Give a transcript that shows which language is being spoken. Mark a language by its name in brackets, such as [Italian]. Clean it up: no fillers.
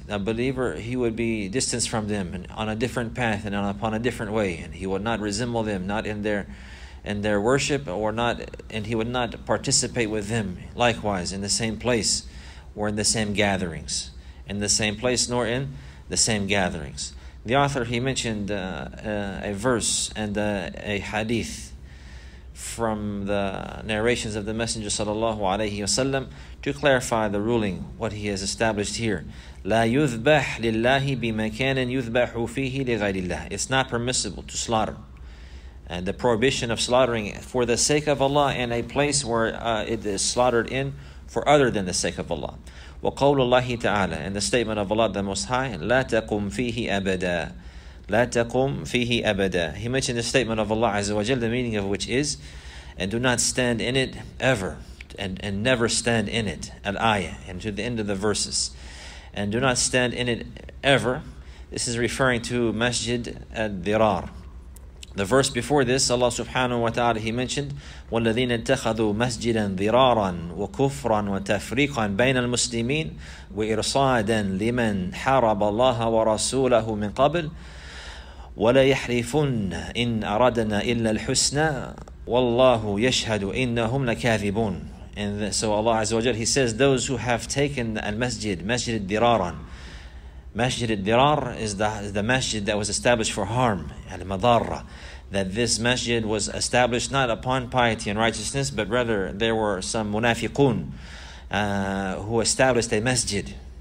[English] A believer, he would be distanced from them and on a different path and upon a different way, and he would not resemble them, not in their worship, or not, and he would not participate with them likewise in the same place or in the same gatherings, in the same place nor in the same gatherings. The author, he mentioned a verse and a hadith from the narrations of the Messenger sallallahu alayhi wasallam to clarify the ruling, what he has established here. [Arabic] لا يذبح لله بمكان يذبح فيه لغير الله. [English] It's not permissible to slaughter, and the prohibition of slaughtering for the sake of Allah in a place where it is slaughtered in for other than the sake of Allah. [Arabic] وَقَوْلُ اللَّهِ تَعَالَى, [English] and the statement of Allah the Most High, [Arabic] لَا تَقُمْ فِيهِ أَبَدًا, لَا تَقُمْ فِيهِ أَبَدًا. [English] He mentioned the statement of Allah Azza wa Jal, the meaning of which is, and do not stand in it ever, and never stand in it, al-ayah, and to the end of the verses. And do not stand in it ever. This is referring to Masjid al-Dirar. The verse before this, Allah subhanahu wa ta'ala, he mentioned, [Arabic] وَالَّذِينَ اتَّخَذُوا مَسْجِدًا ذِرَارًا وَكُفْرًا وَتَفْرِيقًا بَيْنَ الْمُسْلِمِينَ وَإِرْصَادًا لِمَنْ حَرَبَ اللَّهَ وَرَسُولَهُ مِنْ قَبْلِ ولا يحلفن إن أرادنا إلا الحسنى والله يشهد إنهم لكاذبون. [English] And so Allah Azza wa Jalla, He says, those who have taken al-masjid, masjid al-diraran. Masjid al-dirar is the masjid that was established for harm, al-madarra. That this masjid was established not upon piety and righteousness, but rather there were some munafiqun who established a masjid.